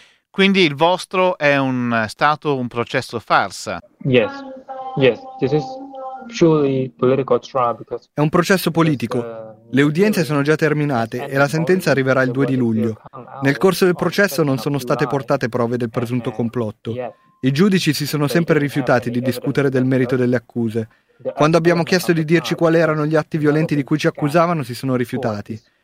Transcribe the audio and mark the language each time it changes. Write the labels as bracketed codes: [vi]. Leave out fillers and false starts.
[it] Quindi il vostro è un stato un processo farsa. [en] Yes. Yes, this is truly political trial because [it] è un processo politico. Le udienze sono già terminate e la sentenza arriverà il 2 di luglio. Nel corso del processo non sono state portate prove del presunto complotto. I giudici si sono sempre rifiutati di discutere del merito delle accuse. Quando abbiamo chiesto di dirci quali erano gli atti violenti di cui ci accusavano, si sono rifiutati.